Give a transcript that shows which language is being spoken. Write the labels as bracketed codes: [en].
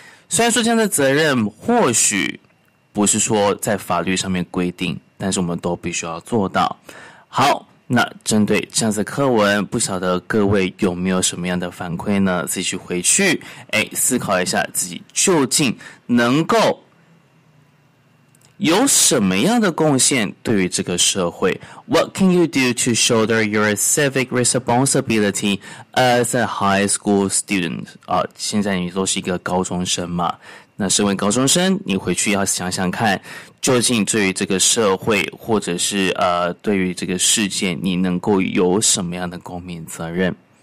[zh] 虽然说这样的责任或许不是说在法律上面规定，但是我们都必须要做到。好，那针对这样子课文，不晓得各位有没有什么样的反馈呢？自己回去思考一下，自己究竟能够有什么样的贡献对于这个社会。 [en] What can you do to shoulder your civic responsibility as a high school student? [zh] 现在你都是一个高中生嘛，那身为高中生，你回去要想想看，究竟对于这个社会或者是对于这个世界，你能够有什么样的公民责任。